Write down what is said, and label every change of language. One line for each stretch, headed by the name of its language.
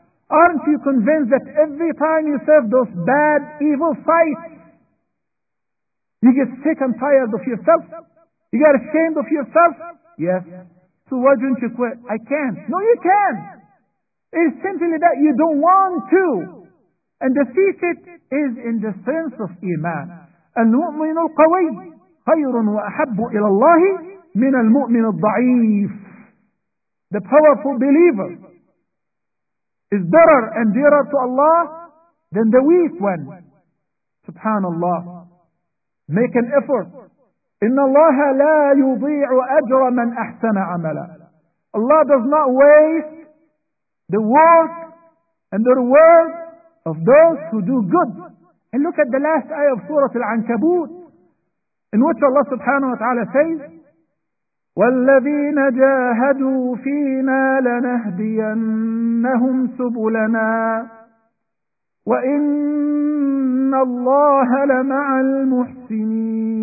English: Aren't you convinced that every time you serve those bad, evil fights, you get sick and tired of yourself? You get ashamed of yourself? Yes. So why don't you quit? I can't. No, you can. It's simply that you don't want to. And the secret is in the strength of iman.
Arabic: المؤمن القوي خير وأحب إلى الله من المؤمن الضعيف.
English: The powerful believer is better and dearer to Allah than the weak one. Subhanallah. Make an effort.
Arabic: إن الله لا يضيع أجر من أحسن عملا.
English: Allah does not waste the work and the reward of those who do good. And look at the last ayah of Surah Al-Ankabut, in which Allah subhanahu wa ta'ala says,
Arabic: وَالَّذِينَ جَاهَدُوا فِينَا لَنَهْدِيَنَّهُمْ سُبُلَنَا وَإِنَّ اللَّهَ لَمَعَ الْمُحْسِنِينَ.